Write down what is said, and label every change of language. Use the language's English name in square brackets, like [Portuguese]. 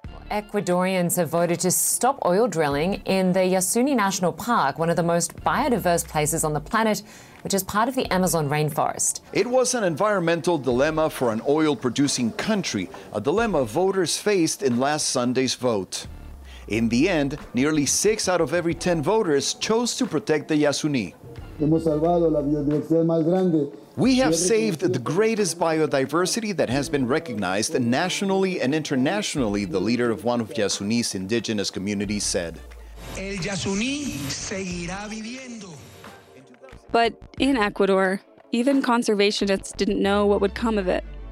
[English] Ecuadorians have voted to stop oil drilling in the Yasuni National Park, one of the most biodiverse places on the planet, which is part of the Amazon rainforest. It was an environmental dilemma for an oil-producing country, a dilemma voters faced in last Sunday's vote. In the end, nearly 6 out of every 10 voters chose to protect the Yasuni. [Spanish] Hemos salvado la biodiversidad más grande [English] We have saved the greatest biodiversity that has been recognized nationally and internationally, the leader of one of Yasuni's indigenous communities said. [Spanish] El Yasuni seguirá viviendo. [English] But in Ecuador, even conservationists didn't know what would come of it.